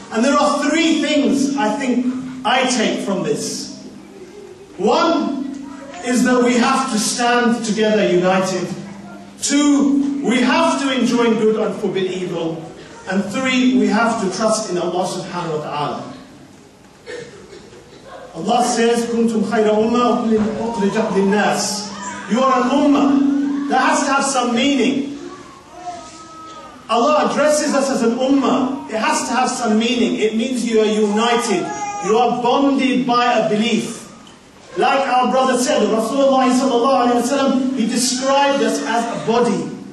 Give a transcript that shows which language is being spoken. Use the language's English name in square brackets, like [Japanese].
[English] And there are three things I think I take from this. One is that we have to stand together united. Two, we have to enjoin good and forbid evil. And three, we have to trust in Allah subhanahu wa ta'ala. Allah says, [Arabic] كُنْتُمْ خَيْرَ أُمَّةٍ أُخْرِجَتْ لِلنَّاسِ. [English] You are an ummah. That has to have some meaning. Allah addresses us as an ummah. It has to have some meaning. It means you are united. You are bonded by a belief. Like our brother said, Rasulullah sallallahu alayhi wa sallam, he described us as a body.